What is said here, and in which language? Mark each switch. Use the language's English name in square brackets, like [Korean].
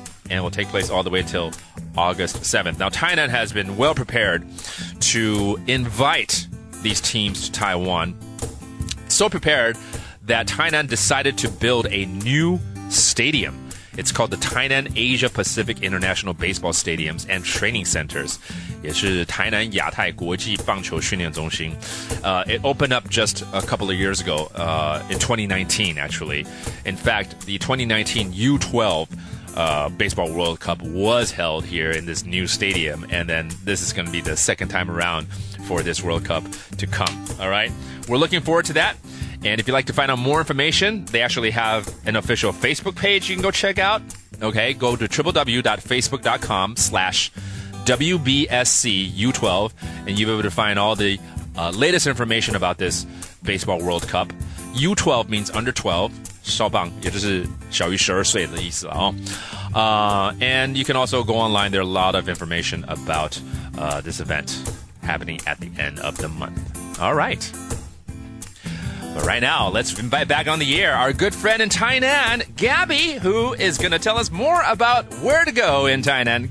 [English] And it will take place all the way till August 7th. Now, Tainan has been well prepared to invite these teams to Taiwan. So prepared that Tainan decided to build a new stadium. It's called the Tainan Asia Pacific International Baseball Stadiums and Training Centers. [Chinese] 也是台南亚太国际棒球训练中心。 [English] It opened up just a couple of years ago, in 2019, actually. In fact, the 2019 U12 Baseball World Cup was held here in this new stadium. And then this is going to be the second time around for this World Cup to come. All right, we're looking forward to that. And if you'd like to find out more information, they actually have an official Facebook page you can go check out. Okay, go to www.facebook.com/WBSCU12 and you'll be able to find all the latest information about this Baseball World Cup. U12 means under 12. [Chinese] 少棒也就是小于12岁的意思了哦。 [English] And you can also go online. There are a lot of information about this event happening at the end of the month. All right. But right now, let's invite back on the air our good friend in Tainan, Gabby, who is going to tell us more about where to go in Tainan.